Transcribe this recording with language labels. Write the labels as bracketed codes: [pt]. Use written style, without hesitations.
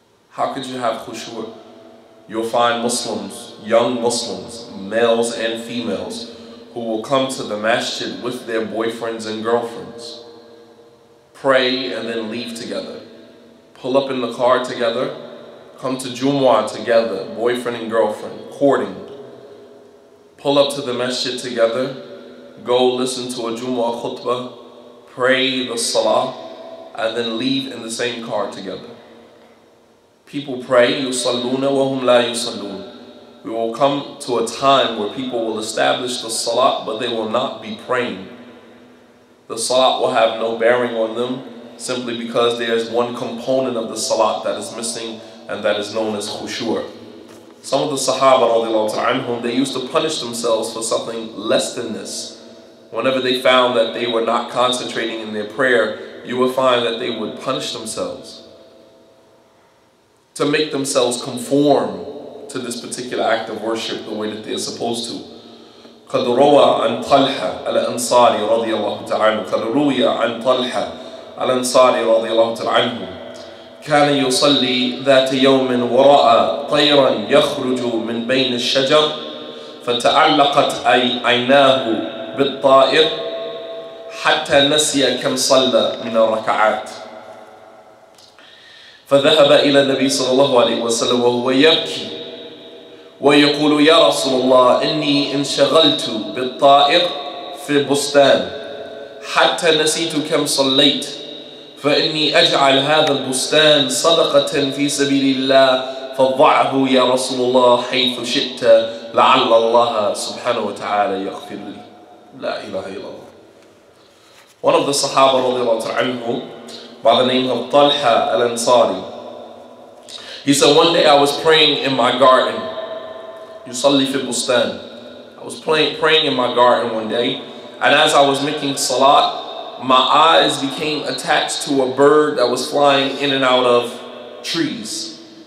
[en] How could you have khushu'? You'll find Muslims, young Muslims, males and females, who will come to the masjid with their boyfriends and girlfriends, pray and then leave together, pull up in the car together, come to Jumu'ah together, boyfriend and girlfriend, courting. Pull up to the masjid together, go listen to a Jumu'ah khutbah, pray the salah, and then leave in the same car together. People pray, [ar] يُصَلُّونَ وَهُمْ لَا يُصَلُّونَ. [en] We will come to a time where people will establish the salah, but they will not be praying. The salah will have no bearing on them, simply because there is one component of the salah that is missing, and that is known as khushu'. Some of the Sahaba radiallahu ta'ala anhum, they used to punish themselves for something less than this. Whenever they found that they were not concentrating in their prayer, you would find that they would punish themselves to make themselves conform to this particular act of worship the way that they are supposed to. [ar] قَدْ رُوَى عَنْ طَلْحَ الْأَنصَارِ رَضِيَ اللَّهُ تَعَالَى قَدْ رُوِيَ عَنْ طَلْحَ الْأَنصَارِ رَضِيَ اللَّهُ تَعَالَى كان يصلي ذات يوم ورأى طيرا يخرج من بين الشجر فتعلقت عيناه بالطائر حتى نسي كم صلى من الركعات فذهب إلى النبي صلى الله عليه وسلم وهو يبكي ويقول يا رسول الله إني انشغلت بالطائر في البستان حتى نسيت كم صليت فإني أجعل هذا البستان صدقة في سبيل الله فضعه يا رسول الله حيث شئت لعل الله سبحانه وتعالى يغفر لي. لا إله إلا الله. [en] One of the Sahaba [ar] رضي الله عنه [en] by the name of طلحة الأنصاري, he said, one day I was praying in my garden. [ar] يصلي في البستان. [en] I was praying in my garden one day, and as I was making salat, my eyes became attached to a bird that was flying in and out of trees.